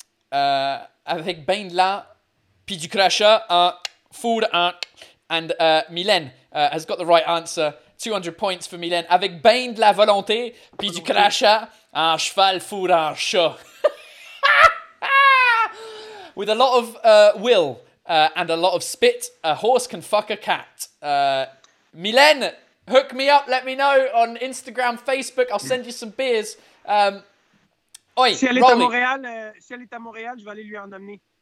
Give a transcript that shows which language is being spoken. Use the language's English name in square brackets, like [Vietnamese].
[French] avec ben là, puis du crachat, [English] four and Mylène has got the right answer. 200 points for Mylène [French] avec ben de la volonté, puis du crachat, un cheval four un chat. [English] With a lot of will and a lot of spit, a horse can fuck a cat. Mylène, hook me up, let me know on Instagram, Facebook, I'll send you some beers. Oi, [French] si elle est à Montréal, si elle est à Montréal, je vais aller lui en amener.